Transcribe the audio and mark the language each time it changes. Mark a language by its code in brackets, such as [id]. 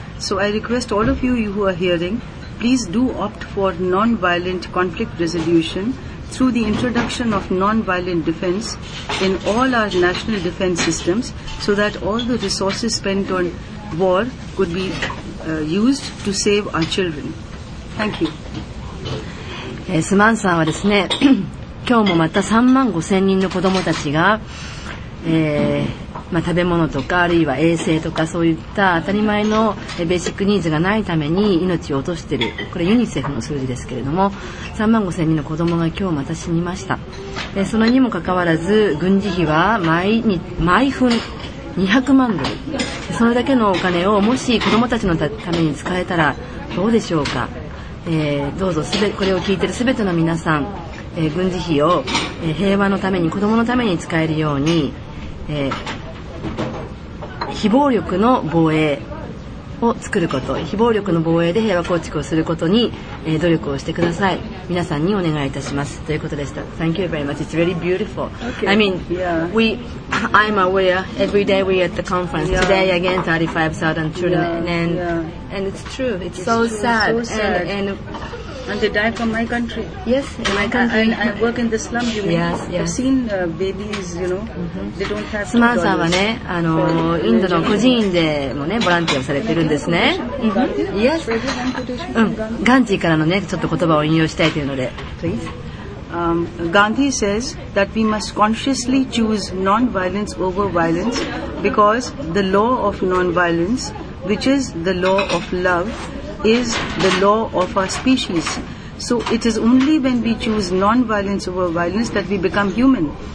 [en] So I request all of you who are hearing, please do opt for non-violent conflict resolution through the introduction of non-violent defense in all our national defense systems, so that all the resources spent on war could be used to save our children. Thank you. [ja] スマンさんはですね、今日もまた3万5000人の子どもたちが、食べ物とかあるいは衛生とかそういった当たり前のベーシックニーズがないために命を落としている、これユニセフの数字ですけれども、3万5000人の子どもが今日また死にました。そのにもかかわらず軍事費は 毎分200万ドル、それだけのお金をもし子どもたちの ために使えたらどうでしょうか。どうぞこれを聞いているすべての皆さん、軍事費を、平和のために、子どものために使えるように、非暴力の防衛を作ること、非暴力の防衛で平和構築をすることに、努力をしてください。皆さんにお願いいたしますということでした。 [en] Thank you very much. It's very beautiful. Okay. I mean, I'm aware every day we at the conference. Yeah. Today again 35,000 children. And it's true. It's so, true. Sad. So sad. And they die from my country. Yes, in my country. I work in the slum, you mean? Yes, yes. I've seen babies, you know, they don't have... [ja] スマンさんはね、インドの孤児院でもね、ボランティアをされているんですね。 [en] Yes. [ja] ガンジーからのね、ちょっと言葉を引用したいというので。 [en] Gandhi says that we must consciously choose non-violence over violence because the law of non-violence, which is the law of love, is the law of our species. So it is only when we choose non-violence over violence that we become human.